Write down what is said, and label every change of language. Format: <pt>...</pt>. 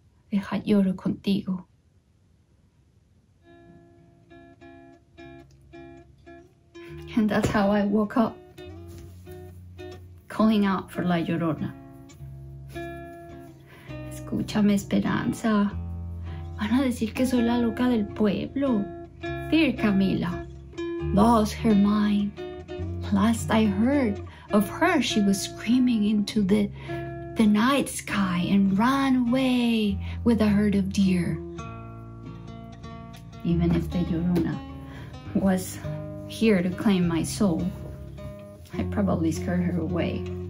<es>Deja lloro contigo.</es> <en>And that's how I woke up, calling out for La Llorona.</en> <es>Escúchame, Esperanza. Van a decir que soy la loca del pueblo.</es> <en>Dear Camila, lost her mind. Last I heard of her, she was screaming into the night sky and ran away with a herd of deer. Even if the Llorona was here to claim my soul, I probably scared her away.</en>